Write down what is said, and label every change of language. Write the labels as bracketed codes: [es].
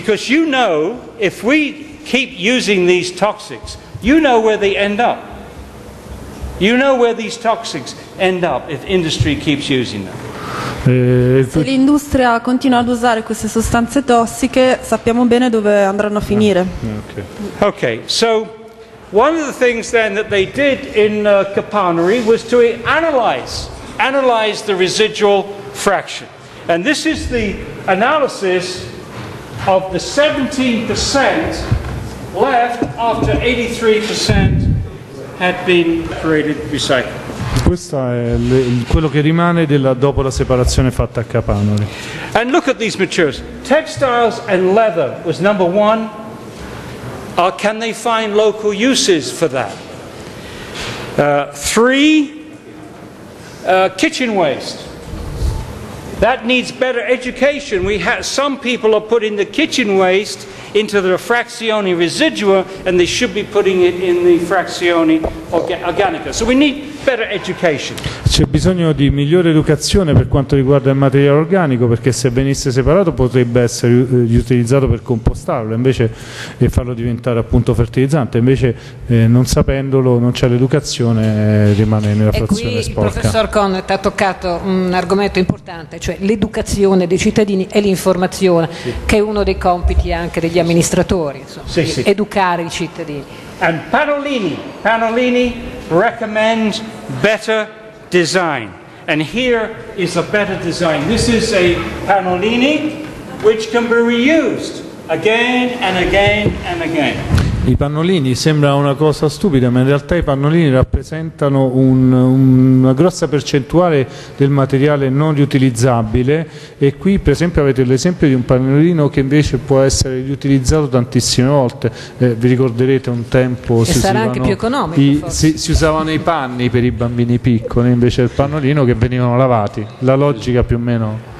[en] Because you know, if we keep using these toxics, you know where they end up. You know where these toxics end up if industry keeps using them. [it] Se l'industria continua ad usare queste sostanze tossiche, sappiamo bene dove andranno a finire. Okay. [en] So one of the things then that they did in Capannori was to analyze the residual fraction. And this is the analysis of the 17% left after 83% had been created recycled. [it] Questo è quello che rimane dopo la separazione fatta a Capannori. [en] And look at these materials. Textiles and leather was number one. Can they find local uses for that? Three, kitchen waste. That needs better education. Some people are putting the kitchen waste into the [it] frazione residua, [en] and they should be putting it in the [it] frazione organica. [en] So we need better education. [it] C'è bisogno di migliore educazione per quanto riguarda il materiale organico, perché se venisse separato potrebbe essere riutilizzato per compostarlo invece e farlo diventare appunto fertilizzante. Invece, non sapendolo, non c'è l'educazione, rimane nella frazione sporca. E qui il professor Connett ha toccato un argomento importante, cioè l'educazione dei cittadini e l'informazione, che è uno dei compiti anche degli amministratori, educare i cittadini. [en] And Panolini recommends better design. And here is a better design. This is a Panolini which can be reused again and again and again. [it] I pannolini sembra una cosa stupida, ma in realtà i pannolini rappresentano una grossa percentuale del materiale non riutilizzabile, e qui per esempio avete l'esempio di un pannolino che invece può essere riutilizzato tantissime volte. Vi ricorderete un tempo si usavano i panni per i bambini piccoli invece il pannolino che venivano lavati, la logica più o meno.